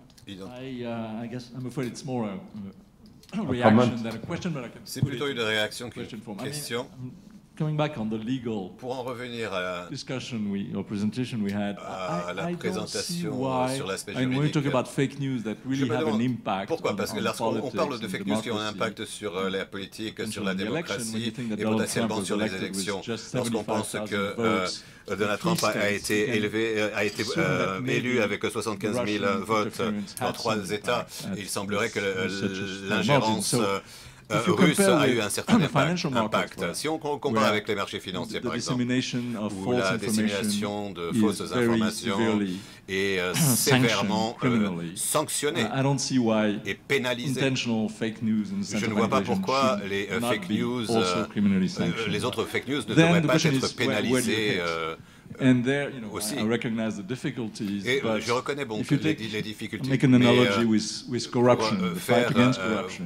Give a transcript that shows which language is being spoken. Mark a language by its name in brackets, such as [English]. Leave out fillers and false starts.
[English] I guess I'm afraid it's more a reaction comment? Than a question, but I can. [French] C'est plutôt une réaction qu'une question. [English] Coming back on the legal [French] pour en revenir à [English] discussion we or presentation we had [French] à la présentation sur l'aspect juridique. [English] And when we talk about fake news that really have an impact. [French] Pourquoi? Parce que lorsqu'on parle de fake news qui ont un impact sur la politique, sur la démocratie et potentiellement sur les élections, lorsqu'on pense que Donald Trump a été élu avec 75 000 votes dans trois États, il semblerait que l'ingérence russe a eu un certain impact. Si on compare avec les marchés financiers, par exemple, où la dissémination de fausses informations est sévèrement sanctionnée et pénalisée, je ne vois pas pourquoi les fake news, les autres fake news ne devraient pas être pénalisées. [English] And there, you know, aussi. I recognize the difficulties. [French] Et [English] but [French] je reconnais bon que les difficultés. [English] Make an analogy with corruption, fight against corruption.